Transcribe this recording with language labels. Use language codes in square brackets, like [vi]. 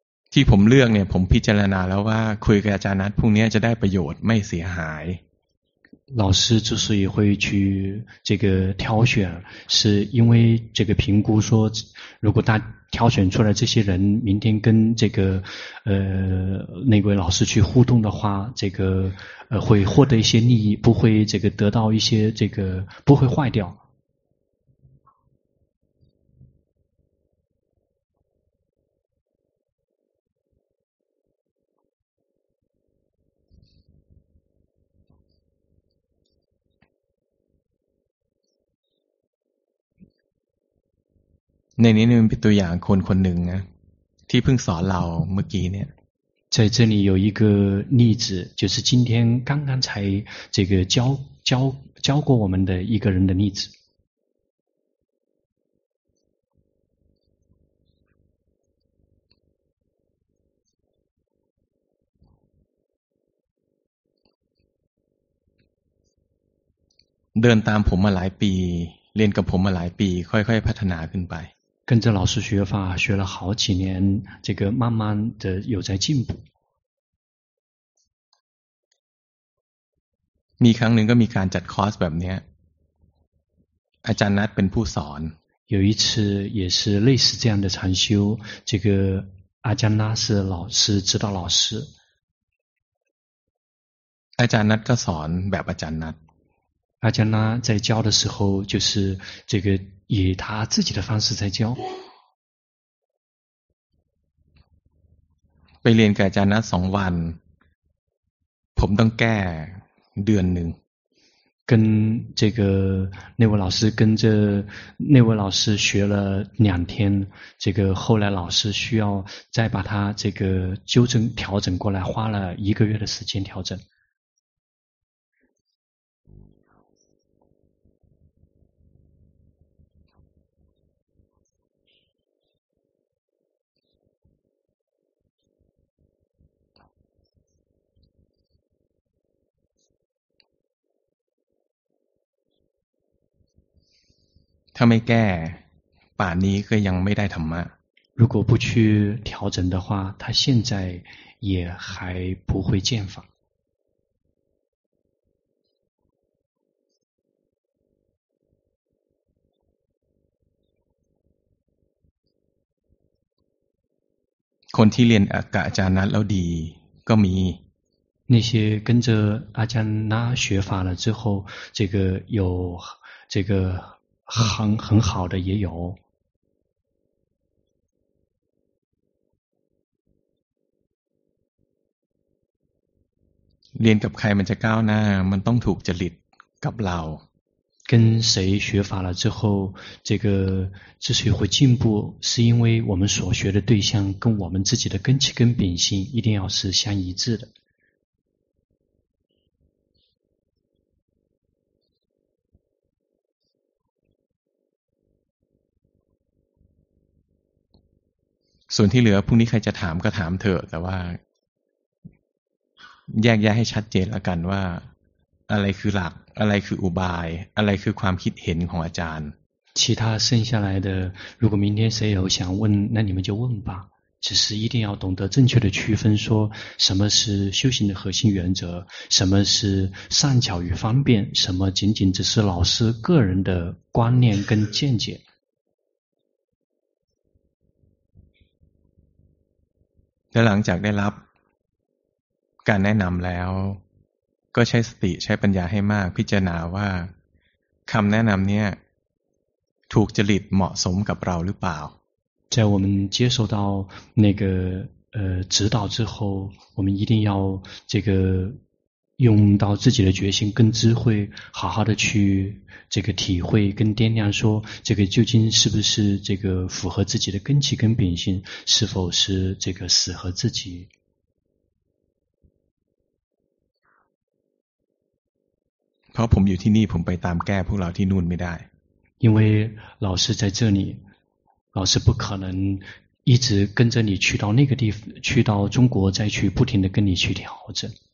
[th] ที่ผมเลือกเนี่ยผมพิจารณาแล้วว่าคุยกับอาจารย์นัทพรุ่งนี้จะได้ประโยชน์ไม่เสียหาย [zh] 老师之所以会去这个挑选是因为这个评估说如果他挑选出来这些人明天跟这个那位老师去互动的话这个会获得一些利益不会这个得到一些这个不会坏掉 [th] ในนี้นี่เป็นตัวอย่างคนคนหนึ่งนะที่เพิ่งสอนเราเมื่อกี้เนี่ย [zh] 在这里有一个例子就是今天刚刚才这个教过我们的一个人的例子 [th] เดินตามผมมาหลายปีเรียนกับผมมาหลายปีค่อยๆพัฒนาขึ้นไป [zh] 跟着老师学法学了好几年，这个慢慢的有在进步。 [th] มีครั้งหนึ่งก็มีการจัดคอร์สแบบนี้อาจารย์นัทเป็นผู้สอน [zh] 有一次也是类似这样的禅修，这个阿詹那是老师指导老师。 [th] อาจารย์นัทก็สอนแบบอาจารย์นัท [zh] 阿詹那在教的时候，就是这个以他自己的方式在教。 [th] ไปเรียนกับอาจารย์นัท2วันผมต้องแก้เดือนหนึ่ง [zh] 跟这个那位老师跟着那位老师学了两天，这个后来老师需要再把他这个纠正调整过来，花了一个月的时间调整。 [th] ถ้าไม่แก้ป่านนี้ก็ยังไม่ได้ธรรมะ [zh] 如果不去调整的话他现在也还不会见法 [th] คนที่เรียนกับอาจารย์นัทแล้วดีก็มี [zh] 那些跟着阿詹那学法了之后这个有这个很好的也有 [th] เรียนกับใครมันจะก้าวหน้ามันต้องถูกจริตกับเรา [zh] 跟谁学法了之后这个之所以会进步是因为我们所学的对象跟我们自己的根气跟秉性一定要是相一致的 [th] ส่วนที่เหลือพรุ่งนี้ใครจะถามก็ถามเถอะแต่ว่าแยกแยะให้ชัดเจนละกันว่าอะไรคือหลักอะไรคืออุบายอะไรคือความคิดเห็นของอาจารย์ [zh] 其他剩下来的如果明天谁有想问那你们就问吧只是一定要懂得正确的区分说什么是修行的核心原则什么是善巧与方便什么仅仅只是老师个人的观念跟见解 [th] แล้วหลังจากได้รับการแนะนำแล้วก็ใช้สติใช้ปัญญาให้มากพิจารณาว่าคำแนะนำเนี่ยถูกจริตเหมาะสมกับเราหรือเปล่า [zh] 在我们接受到那个指导之后我们一定要这个用到自己的决心跟智慧好好的去这个体会跟掂量说这个究竟是不是这个符合自己的根气跟秉性是否是这个适合自己 [th] เพราะผมอยู่ที่นี่ผมไปตามแก้พวกเราที่นู่นไม่ได้ [zh] 因为老师在这里老师不可能一直跟着你去到那个地方去到中国再去不停的跟你去调整